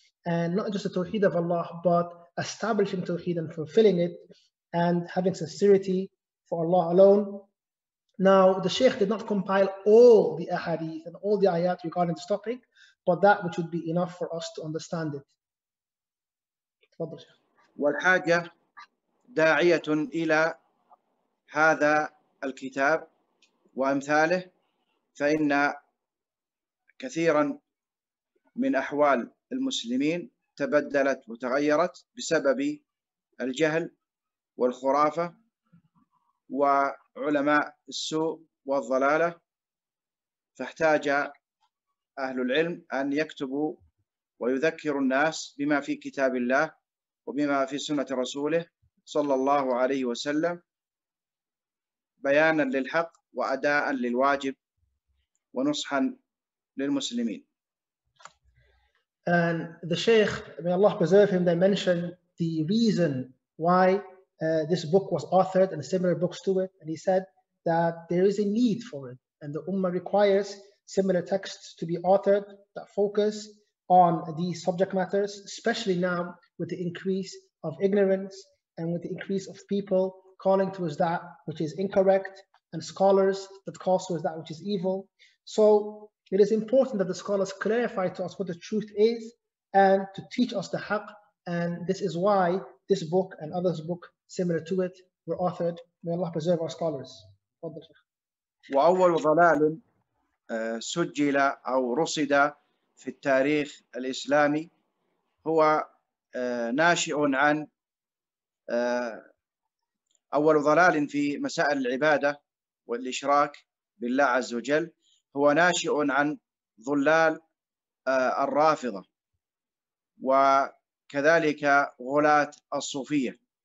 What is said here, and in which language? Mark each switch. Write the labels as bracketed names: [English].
[English] And not just the Tawheed of Allah, but establishing Tawheed and fulfilling it and having sincerity for Allah alone. Now, the Shaykh did not compile all the ahadith and all the ayat regarding this topic, but that which would be enough for us to understand it. [Arabic] تفضل شيخ. والحاجة داعية إلى هذا الكتاب وأمثاله، فإن كثيرا من أحوال المسلمين تبدلت وتغيرت بسبب الجهل والخرافة وعلماء السوء والضلالة، فاحتاج أهل العلم أن يكتبوا ويذكروا الناس بما في كتاب الله وبما في سنة رسوله صلى الله عليه وسلم، بياناً للحق وأداءً للواجب ونصحاً للمسلمين. [English] And the Shaykh, may Allah preserve him, they mentioned the reason why this book was authored and similar books to it. And he said that there is a need for it, and the Ummah requires similar texts to be authored that focus on these subject matters, especially now with the increase of ignorance and with the increase of people calling towards that which is incorrect, and scholars that call towards that which is evil. So it is important that the scholars clarify to us what the truth is and to teach us the haqq. And this is why this book and others' book similar to it were authored. May Allah preserve our scholars. [Arabic] وأول ضلال سجل أو رصد في التاريخ الإسلامي هو ناشئ عن أول ضلال في مسائل العبادة والإشراك بالله عز وجل هو ناشئ عن ضلال الرافضة وكذلك غلاة الصوفية،